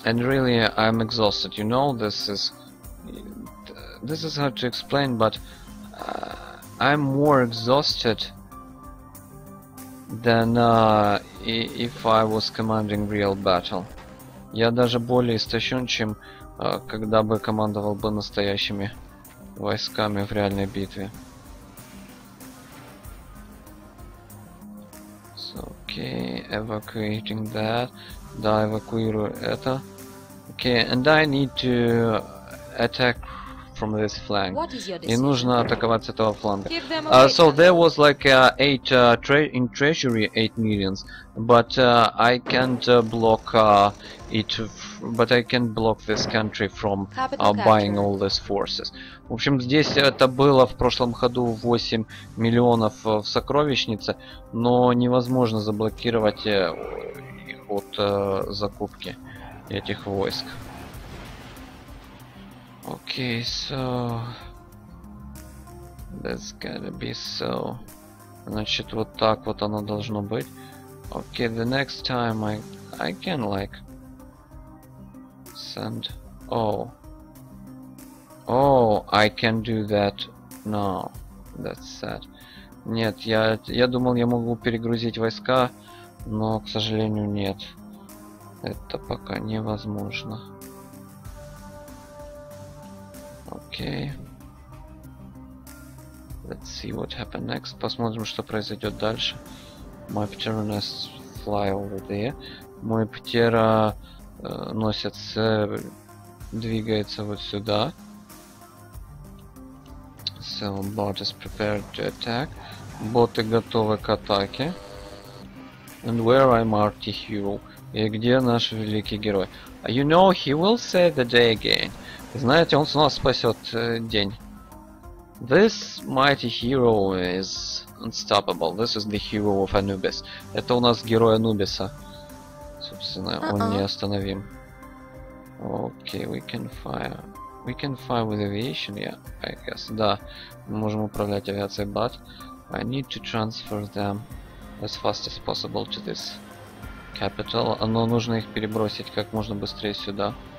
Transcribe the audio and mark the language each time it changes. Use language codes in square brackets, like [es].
[en] And really, I'm exhausted. You know, this is hard to explain, but I'm more exhausted than if I was commanding real battle. [ru] Я даже более истощен, чем когда бы командовал бы настоящими войсками в реальной битве. [en] Okay, evacuating that. [ru] Да, эвакуирую это. [en] Okay, and I need to attack from this flank. What is your decision? [ru] И нужно атаковать с этого фланга. [en] Give them away. So there was like eight in treasury, 8 million, but I can't block it. But I can block this country from buying all these forces. [ru] В общем, здесь это было в прошлом ходу 8 миллионов в сокровищнице, но невозможно заблокировать их от закупки этих войск. [en] Okay, so that's gotta be so. [ru] Значит, вот так вот оно должно быть. [en] Okay, the next time I can like send. Oh, I can do that now. That's sad. [ru] Нет, я думал, я могу перегрузить войска, но, к сожалению, нет. Это пока невозможно. [en] Okay. Let's see what happens next. [ru] Посмотрим, что произойдет дальше. [en] My pteranus fly over there. [ru] Мой птера носится, двигается вот сюда. [en] So bot is prepared to attack. [ru] Боты готовы к атаке. [en] And where I'm Marty Hero. [ru] И где наш великий герой? [en] You know, he will save the day again. [ru] Знаете, он снова спасет день. [en] This mighty hero is unstoppable. This is the hero of Anubis. [ru] Это у нас герой Анубиса. Собственно, он неостановим. [en] Okay, we can fire. We can fire with aviation, yeah, I guess. [ru] Да, мы можем управлять авиацией, [en] but I need to transfer them as fast as possible to this capital. [ru] Но нужно их перебросить как можно быстрее сюда.